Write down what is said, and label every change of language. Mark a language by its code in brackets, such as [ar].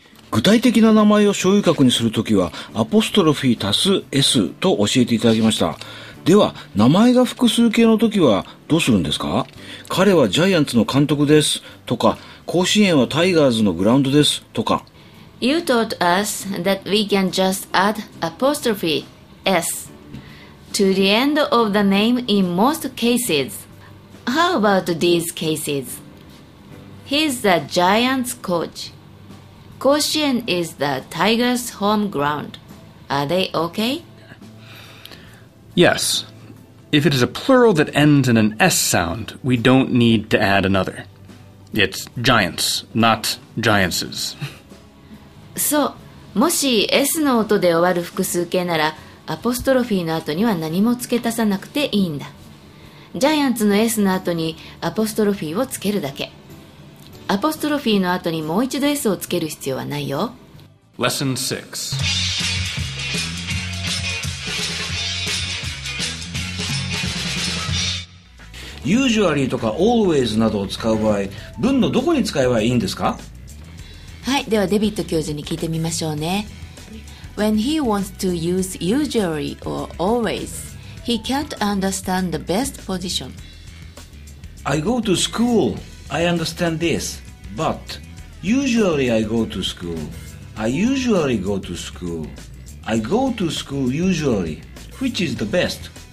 [ja] 具体的な名前を省略格にするときはアポストロフィー足す S と教えていただきました。では名前が複数形のときはどうするんですか。彼はジャイアンツの監督ですとか、甲子園はタイガーズのグラウンドですとか。 [en] You taught us that we can just add apostrophe s to the end of the name in most cases. How about these cases? He's the Giants coach. Koshien is the Tigers' home ground. Are they okay? Yes. If it is a plural that ends in an s sound, we don't need to add another. It's Giants, not Giants'. [ja] そう、もし S の音で終わる複数形ならアポストロフィーの後には何も付け足さなくていいんだ。ジャイアンツの S の後にアポストロフィーを付けるだけ。アポストロフィーの後にもう一度 S を付ける必要はないよ。 [en] Lesson 6。 [ja] Usually とか Always などを使う場合、文のどこに使えばいいんですか。はい、ではデビット教授に聞いてみましょうね。 [en] When he wants to use usually or always, he can't understand the best position. I go to school, I understand this, but usually I go to school. I usually go to school. I go to school usually, which is the best?